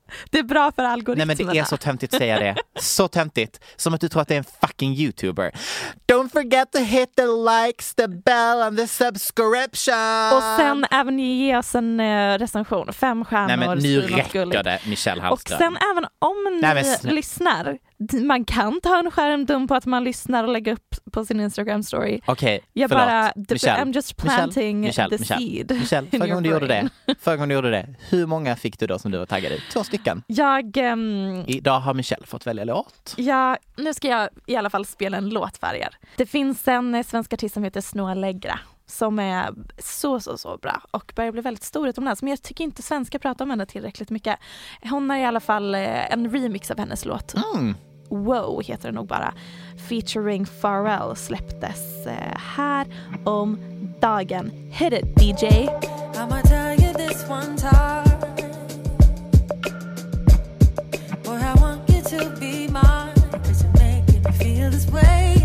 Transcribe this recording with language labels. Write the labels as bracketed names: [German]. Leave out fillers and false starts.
[Swedish] Det är bra för algoritmerna. Nej, men det är så töntigt att säga det. Så töntigt. Som att du tror att det är en fucking YouTuber. [English] Don't forget to hit the likes, the bell and the subscription. [Swedish] Och sen även ge oss en recension. 5 stjärnor. Nej, men nu räcker det, Michelle Hallström. Och sen även om ni lyssnar. Man kan ta en skärmdump på att man lyssnar och lägger upp på sin Instagram story. Okej, [English] okay, [Swedish] förlåt. [English] I'm just planting seed. [Swedish] Michelle, förra gången du gjorde det. Hur många fick du då som du var taggad i? 2 stycken. Jag... Idag har Michelle fått välja låt. Ja, nu ska jag i alla fall spela en låt för er. Det finns en svensk artist som heter Snow Allegra. Som är så bra. Och börjar bli väldigt stor utomlands. Men jag tycker inte svenska pratar om henne tillräckligt mycket. Hon har i alla fall en remix av hennes låt. Wow heter det nog bara. Featuring Pharrell släpptes här om dagen. [English] Hit it, DJ! I'ma tell you this one time. Boy, I want you to be mine. Cause you're making me feel this way.